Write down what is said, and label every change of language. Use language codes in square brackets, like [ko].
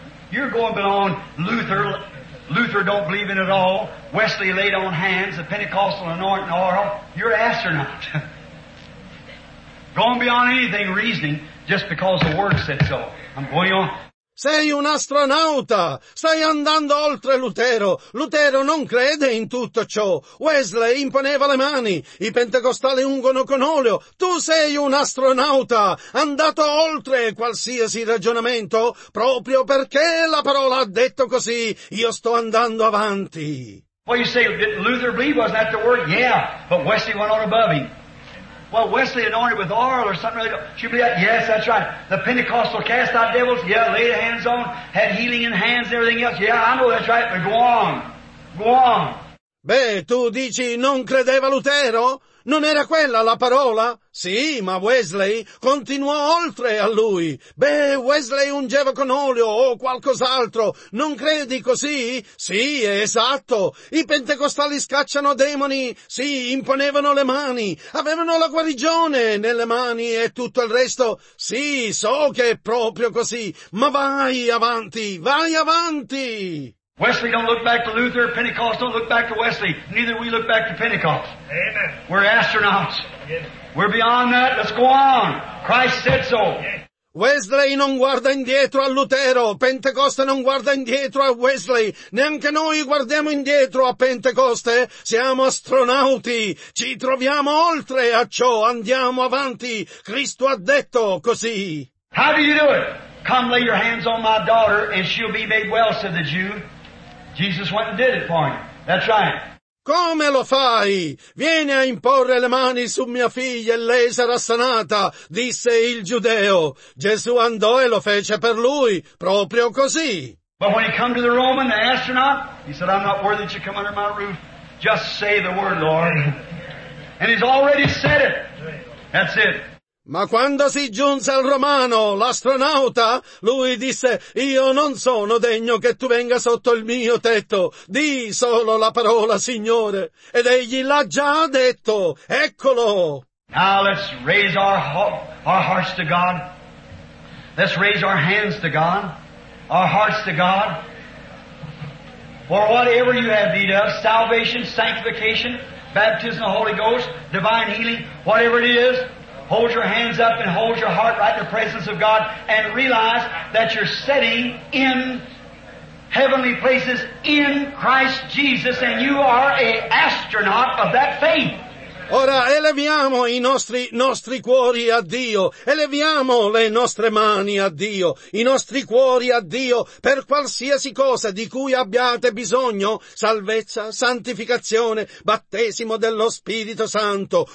[en] You're going beyond Luther. Luther don't believe in it at all. Wesley laid on hands, the Pentecostal anointing oil. You're an astronaut. Going beyond anything reasoning just because the Word said so. I'm going on. [it] Sei un astronauta. Stai andando oltre Lutero. Lutero non crede in tutto ciò. Wesley imponeva le mani. I pentecostali ungono con olio. Tu sei un astronauta. Andato oltre qualsiasi ragionamento. Proprio perché la parola ha detto così, io sto andando avanti. [en] Well, you say, did Luther believe? Wasn't that the word? Yeah. But Wesley went on above him. Well, Wesley anointed with oil or something like that. Should be that? Yes, that's right. The Pentecostal cast out devils? Yeah, laid hands on, had healing in hands and everything else. Yeah, I know that's right, but go on. Go on. [it] Beh, tu dici, non credeva Lutero? Non era quella la parola? Sì, ma Wesley continuò oltre a lui. Beh, Wesley ungeva con olio o qualcos'altro. Non credi così? Sì, è esatto. I pentecostali scacciano demoni. Sì, imponevano le mani. Avevano la guarigione nelle mani e tutto il resto. Sì, so che è proprio così. Ma vai avanti, vai avanti! [en] Wesley don't look back to Luther, Pentecost don't look back to Wesley, neither we look back to Pentecost. Amen. We're astronauts. Yes. We're beyond that, let's go on. Christ said so. Yes. [it] Wesley non guarda indietro a Lutero, Pentecoste non guarda indietro a Wesley, neanche noi guardiamo indietro a Pentecoste, siamo astronauti, ci troviamo oltre a ciò, andiamo avanti, Cristo ha detto così. [en] How do you do it? Come lay your hands on my daughter and she'll be made well, said the Jew. Jesus went and did it for him. That's right. [it] Come lo fai? Vieni a imporre le mani su mia figlia e lei sarà sanata, disse il giudeo. Gesù andò e lo fece per lui, proprio così. [en] But when he come to the Roman, the astronaut, he said, I'm not worthy that you come under my roof. Just say the word, Lord. And he's already said it. That's it. [it] Ma quando si giunse al romano, l'astronauta, lui disse, io non sono degno che tu venga sotto il mio tetto, di solo la parola, Signore. Ed egli l'ha già detto, eccolo. [en] Now let's raise our hearts to God. Let's raise our hands to God, our hearts to God. For whatever you have need of, salvation, sanctification, baptism of the Holy Ghost, divine healing, whatever it is, hold your hands up and hold your heart right in the presence of God and realize that you're sitting in heavenly places in Christ Jesus and you are an astronaut of that faith. [it] Ora eleviamo i nostri cuori a Dio, eleviamo le nostre mani a Dio, i nostri cuori a Dio per qualsiasi cosa di cui abbiate bisogno, salvezza, santificazione, battesimo dello Spirito Santo,